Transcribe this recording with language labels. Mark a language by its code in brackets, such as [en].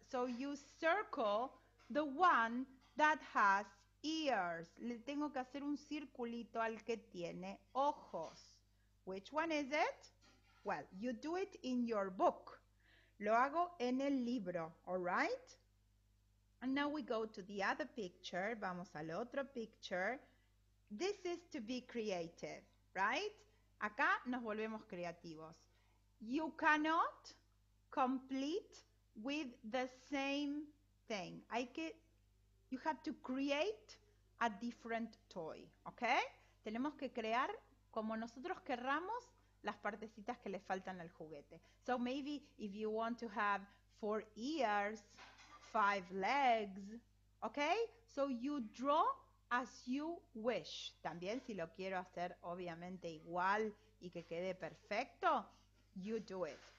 [en] So, you circle the one that has ears. [es] Le tengo que hacer un circulito al que tiene ojos. [en] Which one is it? Well, you do it in your book. [es] Lo hago en el libro. [en] All right? And now we go to the other picture. [es] Vamos al otro [en] picture. This is to be creative, right? [es] Acá nos volvemos creativos. [en] You cannot complete with the same thing. You have to create a different toy, okay? [es] Tenemos que crear como nosotros querramos las partecitas que le faltan al juguete. [en] So maybe if you want to have 4 ears, 5 legs, okay? So you draw as you wish. [es] También si lo quiero hacer obviamente igual y que quede perfecto, [en] you do it.